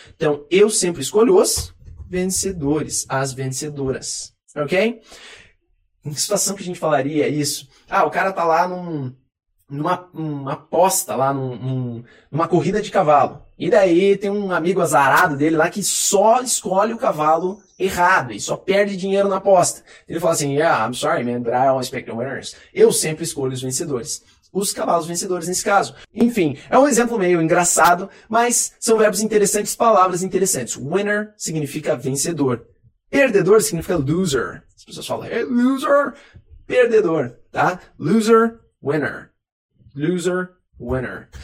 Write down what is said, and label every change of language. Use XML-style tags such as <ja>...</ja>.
<pt>Então, eu sempre escolho os vencedores, as vencedoras, ok? Em situação que a gente falaria isso, o cara tá lá numa aposta, lá numa corrida de cavalo, e daí tem um amigo azarado dele lá que só escolhe o cavalo errado, e só perde dinheiro na aposta. Ele fala assim,</pt> <en>yeah, I'm sorry man, but I always pick the winners.</en> <pt>Eu sempre escolho os vencedores. Os cavalos vencedores nesse caso. Enfim, é um exemplo meio engraçado, mas são verbos interessantes, palavras interessantes. Winner significa vencedor. Perdedor significa loser. As pessoas falam,</pt> <en>hey, loser,</en> <pt>perdedor, tá?</pt> <en>Loser, winner. Loser, winner.</en>